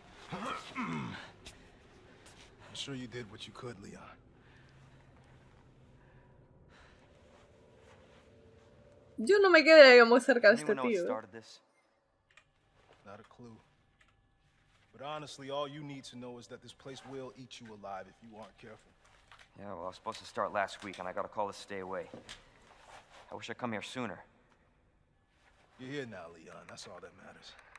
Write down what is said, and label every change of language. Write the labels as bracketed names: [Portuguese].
[English] I'm sure you did what you could, Leon. [Spanish] Yo no me quedaría muy cerca de este tío. [English] Not a clue. But honestly, all you need to know is that this place will eat you alive if you aren't careful. Yeah, well, I was supposed to start last week and I got a call to stay away. I wish I'd come here sooner. You're here now, Leon. That's all that matters.